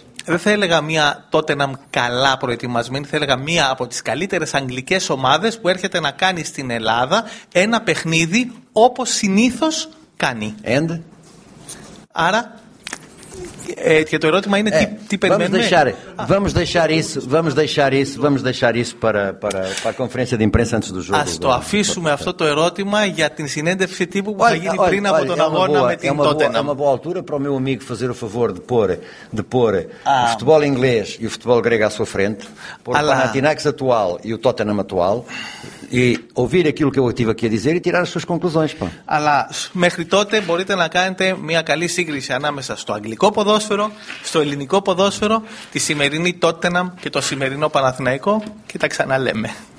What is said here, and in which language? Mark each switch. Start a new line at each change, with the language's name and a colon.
Greek: Δεν θα έλεγα μία Tottenham καλά προετοιμασμένη, θα έλεγα μία από τις καλύτερες αγγλικές ομάδες που έρχεται να κάνει στην Ελλάδα ένα παιχνίδι όπως συνήθως κάνει.
English: And?
Greek: Άρα, και το ερώτημα είναι τι περιμένουμε.
Portuguese: Vamos deixar isso para a conferência de imprensa antes do jogo.
Greek: Ας το αφήσουμε αυτό το ερώτημα για την συνέντευξη τύπου που θα γίνει πριν από τον αγώνα με την Tottenham.
Portuguese: É uma boa altura para o meu amigo fazer o favor de pôr o futebol inglês e o futebol grego à sua frente, pôr o Panathinaikos atual e o Tottenham atual e ouvir aquilo que eu estive aqui a dizer e tirar as suas conclusões.
Greek: Αλλά μέχρι τότε μπορείτε να κάνετε μια καλή σύγκριση ανάμεσα στο αγγλικό ποδόσφαιρο, στο ελληνικό ποδόσφαιρο, τη σημερινή Tottenham και το σημερινό Παναθηναϊκό και τα ξαναλέμε.